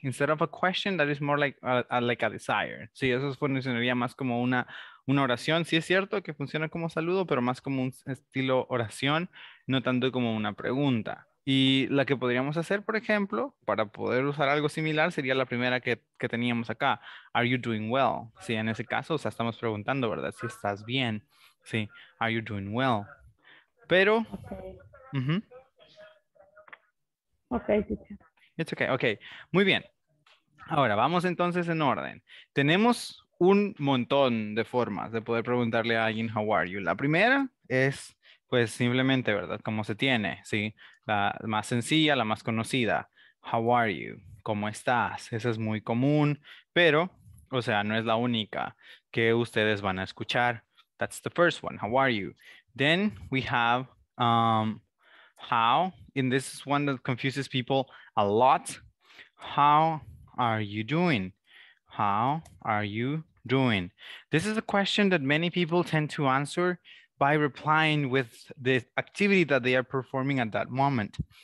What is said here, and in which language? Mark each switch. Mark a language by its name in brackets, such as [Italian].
[English] Instead of a question, that is more like a desire. [Spanish] Sí, eso funcionaría más como una oración. Sí, es cierto que funciona como saludo, pero más como un estilo oración, no tanto como una pregunta. Y la que podríamos hacer, por ejemplo, para poder usar algo similar, sería la primera que teníamos acá. [English] Are you doing well? [Spanish] Sí, en ese caso, o sea, estamos preguntando, ¿verdad? Si estás bien. Sí, [English] are you doing well? [Spanish] Pero... Okay. Uh-huh. Okay, [English] it's okay. [Spanish] Okay, muy bien. Ahora, vamos entonces en orden. Tenemos un montón de formas de poder preguntarle a alguien, [English] how are you? [Spanish] La primera es, pues, simplemente, ¿verdad? Cómo se tiene, ¿sí? La más sencilla, la más conocida. [English] How are you? [Spanish] ¿Cómo estás? Esa es muy común, pero, o sea, no es la única que ustedes van a escuchar. [English] That's the first one, how are you? Then we have how, and this is one that confuses people a lot. How are you doing? How are you doing? This is a question that many people tend to answer by replying with the activity that they are performing at that moment.